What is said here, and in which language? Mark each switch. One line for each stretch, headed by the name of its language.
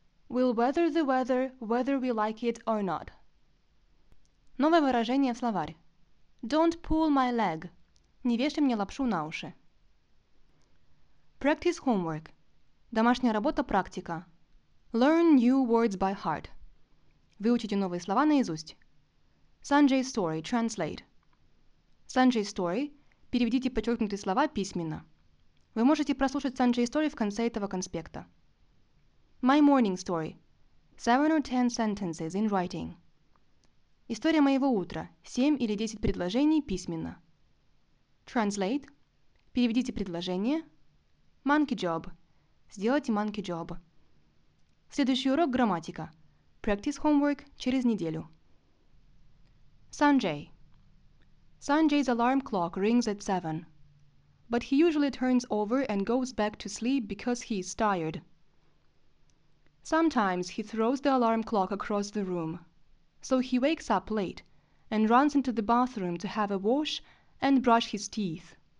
English: We'll weather the weather, whether we like it or not.
Russian: Новое выражение в словарь.
English: Don't pull my leg.
Russian: Не вешай мне лапшу на уши.
English: Practice homework.
Russian: Домашняя работа, практика.
English: Learn new words by heart.
Russian: Выучите новые слова наизусть.
English: Sanjay's story, translate. Sanjay Story.
Russian: Переведите подчеркнутые слова письменно. Вы можете прослушать Sanjay Story в конце этого конспекта.
English: My morning story. 7 or 10 sentences in writing.
Russian: История моего утра. 7 или 10 предложений письменно.
English: Translate.
Russian: Переведите предложение.
English: Monkey job.
Russian: Сделайте
English: monkey job.
Russian: Следующий урок – грамматика.
English: Practice homework
Russian: через неделю. Sanjay.
English: Sanjay's alarm clock rings at 7, but he usually turns over and goes back to sleep because he is tired. Sometimes he throws the alarm clock across the room, so he wakes up late and runs into the bathroom to have a wash and brush his teeth.